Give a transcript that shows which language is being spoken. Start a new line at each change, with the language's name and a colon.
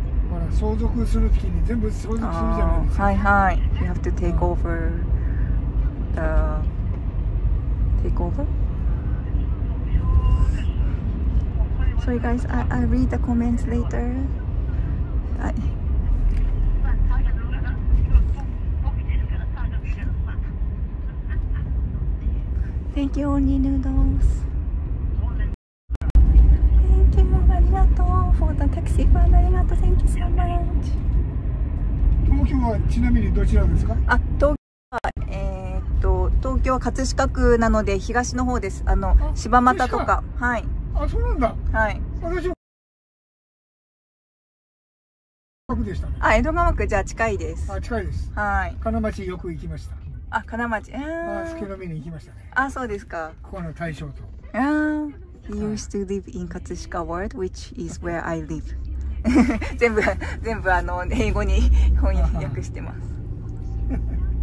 Japanese: ほら、相続するときに全部相続するじゃないですか。
English: はいはい。He have to take over the... Take over? Sorry guys, I read the comments later. Thank you, Oni Noodles. Thank you, arigato for the taxi. Arigato, thank you so much.
Japanese: Tokyo はちなみにどちらですか？あ、東京は東京は葛飾区なので東の方です。あの柴又とか、はい。あ、そうなんだ。はい。私は区でした、ね。あ、江戸川区じゃあ近いです。あ、近いです。はい。金町よく行きました。あ、金町。ああ、スケノミに行きましたね。あ、そうですか。ここの大将と。
English: ああ、He used to live in 葛飾 ward, which is where I live.
Japanese: 全部あの英語に翻訳してます。